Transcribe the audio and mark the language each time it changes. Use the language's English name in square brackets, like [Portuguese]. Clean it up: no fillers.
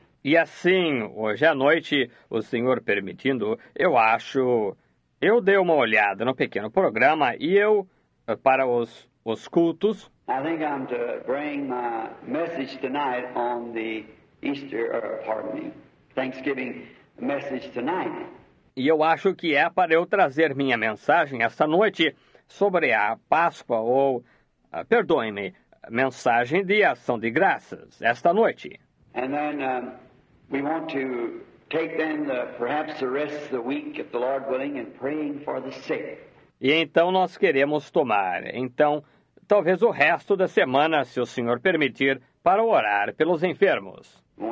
[Portuguese] E assim, hoje à noite, o Senhor permitindo, eu acho, eu dei uma olhada no pequeno programa e eu para os cultos. [English] I think I'm to bring my message tonight on the Easter, Thanksgiving message tonight. [Portuguese] E eu acho que é para eu trazer minha mensagem esta noite sobre a Páscoa ou, perdoe-me, mensagem de ação de graças esta noite. [English] And then we want to take then the, perhaps the rest of the week, if the Lord willing, and praying for the sick. [Portuguese] E então nós queremos tomar, então, talvez o resto da semana, se o Senhor permitir, para orar pelos enfermos.